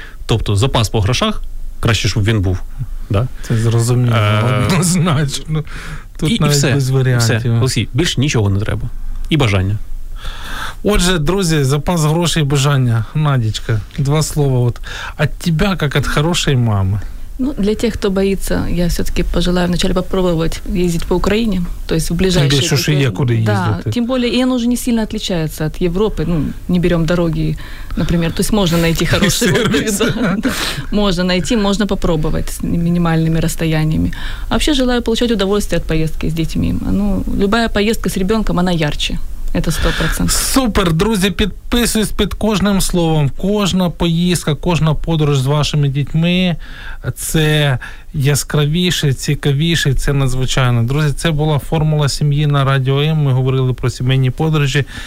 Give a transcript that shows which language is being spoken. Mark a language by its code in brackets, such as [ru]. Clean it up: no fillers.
[uk] Тобто запас по грошах, краще, щоб він був. [ru] Да? [uk] Це зрозуміло, однозначно. Тут і навіть без варіантів. Все. Олексій, більше нічого не треба. І бажання. Отже, друзі, запас грошей і бажання. Надечка, два слова. От від тебе, як від хорошої мами. [ru] Ну, для тех, кто боится, я все-таки пожелаю вначале попробовать ездить по Украине, то есть в ближайшие... Еще же я куда ездить? Да, тем более, и оно уже не сильно отличается от Европы, ну, не берем дороги, например, то есть можно найти хорошие отдыхи, можно найти, можно попробовать с минимальными расстояниями. Вообще желаю получать удовольствие от поездки с детьми, ну, любая поездка с ребенком, она ярче. [uk] Це 100%. Супер, друзі, підписуюсь під кожним словом. Кожна поїздка, кожна подорож з вашими дітьми – це яскравіше, цікавіше, це надзвичайно. Друзі, це була формула сім'ї на Радіо М. Ми говорили про сімейні подорожі.